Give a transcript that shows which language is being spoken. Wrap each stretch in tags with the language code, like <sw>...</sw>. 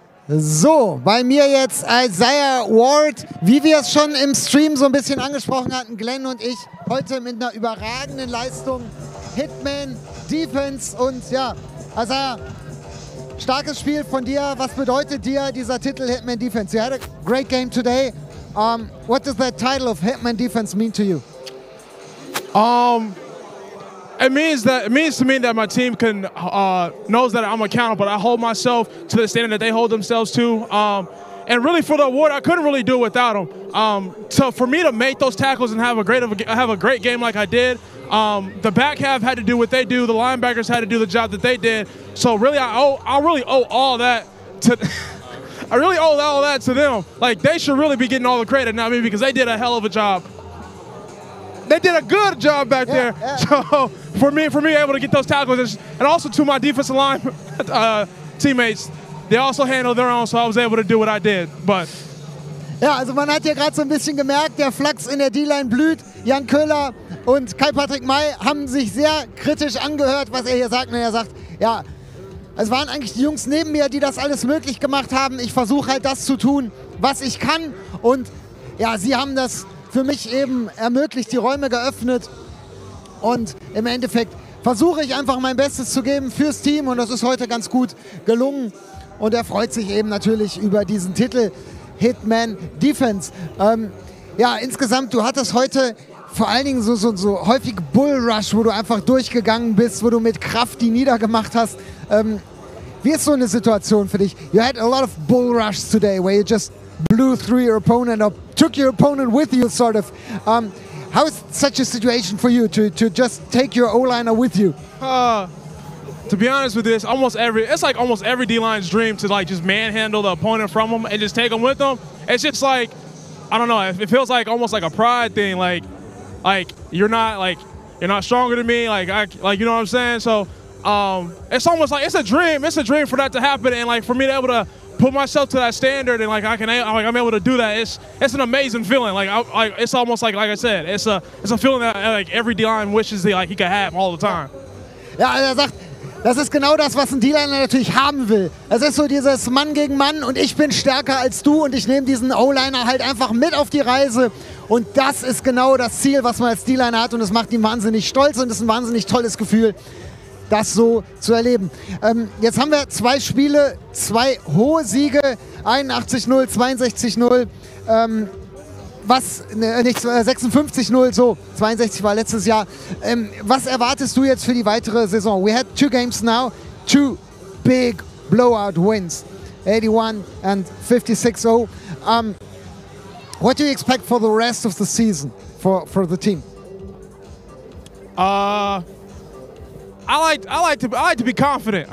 <de>So, bei mir jetzt Isaiah Ward, wie wir es schon im Stream so ein bisschen angesprochen hatten, Glenn und ich, heute mit einer überragenden Leistung, Hitman, Defense und ja, Isaiah, starkes Spiel von dir, was bedeutet dir dieser Titel Hitman Defense?</de> <en>You had a great game today, what does that title of Hitman Defense mean to you? It means to me that my team can knows that I'm accountable. I hold myself to the standard that they hold themselves to. And really for the award, I couldn't really do it without them. So for me to make those tackles and have a great game like I did, the back half had to do what they do. The linebackers had to do the job that they did. So really, I really owe all that to them. Like, they should really be getting all the credit, not me, because they did a hell of a job. They did a good job back there. Yeah. So for me able to get those tackles, and also to my defensive line teammates, they also handled their own, so I was able to do what I did. But</en> <de>ja, also man hat ja gerade so ein bisschen gemerkt, der Flachs in der D-Line blüht. Jan Köhler und Kai-Patrick May haben sich sehr kritisch angehört, was er hier sagt. Und er sagt, ja, es waren eigentlich die Jungs neben mir, die das alles möglich gemacht haben. Ich versuche halt das zu tun, was ich kann. Und ja, sie haben das für mich eben ermöglicht, die Räume geöffnet, und im Endeffekt versuche ich einfach mein Bestes zu geben fürs Team, und das ist heute ganz gut gelungen, und er freut sich eben natürlich über diesen Titel Hitman Defense. Ja, insgesamt, du hattest heute vor allen Dingen so häufig Bull Rush, wo du einfach durchgegangen bist, wo du mit Kraft die niedergemacht hast. Wie ist so eine Situation für dich?</de> <en>You had a lot of Bull Rush today, where you just blew through your opponent or took your opponent with you, sort of. How is such a situation for you to just take your O-liner with you? To be honest with this, almost every D-line's dream to like just manhandle the opponent from them and just take them with them. It's just like, I don't know, it feels like almost like a pride thing. Like you're not stronger than me. Like you know what I'm saying? So it's almost like it's a dream for that to happen, and like for me to be able to put myself to that standard, and like I'm able to do that. It's an amazing feeling. It's a feeling that like every D-line wishes that like he could have all the time.</en> <de>Ja, er sagt, das ist genau das, was ein D-Liner natürlich haben will. Es ist so dieses Mann gegen Mann, und ich bin stärker als du, und ich nehme diesen O-Liner halt einfach mit auf die Reise. Und das ist genau das Ziel, was man als D-Liner hat, und es macht ihn wahnsinnig stolz, und es ist ein wahnsinnig tolles Gefühl, das so zu erleben. Jetzt haben wir zwei Spiele, zwei hohe Siege, 81-0, 62-0, nicht 56-0, so, 62 war letztes Jahr. Was erwartest du jetzt für die weitere Saison?</de> <en>We had two games now, two big blowout wins, 81 and 56-0. What do you expect for the rest of the season for the team? I like to be confident.</en>